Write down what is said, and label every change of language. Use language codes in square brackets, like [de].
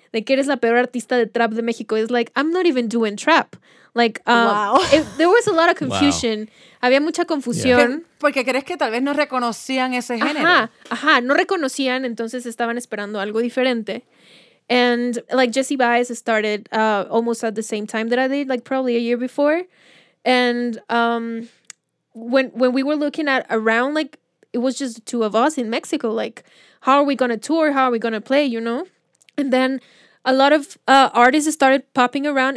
[en] Like, [es] eres la peor artista de trap de México. [en] It's like, I'm not even doing trap. Like, there was a lot of confusion. Wow. [es] Había mucha confusión. [en] Yeah. [es] Porque crees que tal vez no reconocían ese género. Ajá, no reconocían, entonces estaban esperando algo diferente. [en] And, like, Jesse Baez started almost at the same time that I did, like, probably a year before. And when we were looking at around, like, it was just the two of us in Mexico. Like, how are we going to tour? How are we going to play, you know? And then a lot of artists started popping around.